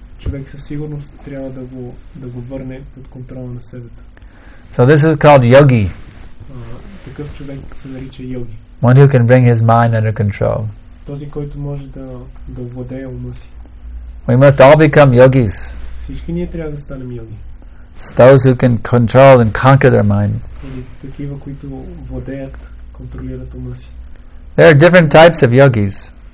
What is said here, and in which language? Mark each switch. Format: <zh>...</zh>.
<bg>Човек със сигурност трябва да го върне под контрола на себе.</bg> <en>So this is called yogi.</en> <bg>Такъв човек се нарича йоги.</bg> <en>One who can bring his mind under control.</en> <bg>Този, който може да владее ума си.</bg> <en>We must all become yogis.</en> <bg>Всички ние трябва да станем йоги.</bg> <en>Those who can control and conquer their mind.</en> <bg>Такива, които владеят, контролират ума си.</bg> <en>There are different types of yogis.</en>